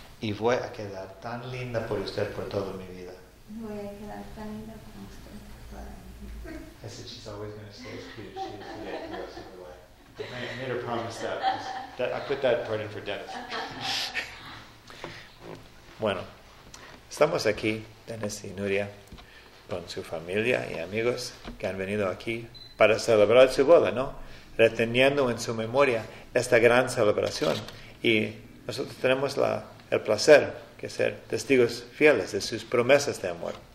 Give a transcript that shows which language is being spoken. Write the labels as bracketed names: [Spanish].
[Spanish] Y voy a quedar tan linda por usted por toda mi vida. Voy a quedar tan linda como usted para mí. [English] I said she's always going to stay as cute as she is today. I made her promise that. I put that part in for Dennis. [Spanish] Bueno, estamos aquí, Dennis y Nuria, con su familia y amigos que han venido aquí para celebrar su boda, ¿no? Reteniendo en su memoria esta gran celebración. Y nosotros tenemos el placer de ser testigos fieles de sus promesas de amor.